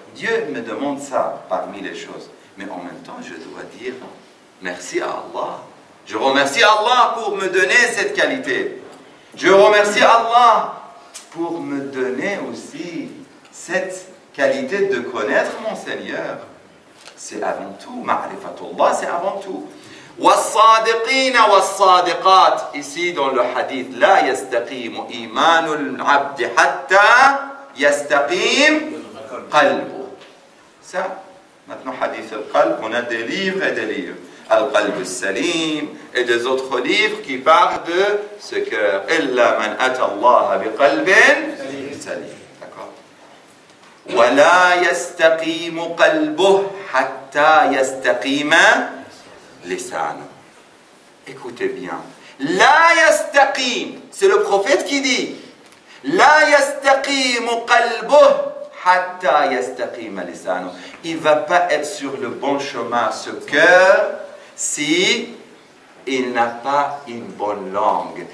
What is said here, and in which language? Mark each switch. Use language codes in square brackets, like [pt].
[fr] Dieu me demande ça parmi les choses. Mais en même temps, je dois dire merci à Allah. Je remercie Allah pour me donner cette qualité. Je remercie Allah pour me donner aussi cette qualité de connaître mon Seigneur. C'est avant tout, ma'rifatullah, c'est avant tout. [ar] والصادقين والصادقات [fr] ici dans le hadith [ar] لا يستقيم إيمان العبد حتى يستقيم قلبه. [fr] Ça, maintenant hadith القلب, on a des livres et des livres. [ar] القلب السليم [fr] et des autres livres qui parlent de ce cœur. [ar] إلا من أتى الله بقلب سليم. [fr] D'accord. [ar] ولا يستقيم قلبه حتى يستقيم لسانه. [fr] Écoutez bien. La yastaqim, c'est le prophète qui dit. [ar] La yastaqim qalbuh hatta yastaqim lisanu. [fr] Il va pas être sur le bon chemin ce cœur si il n'a pas une bonne langue.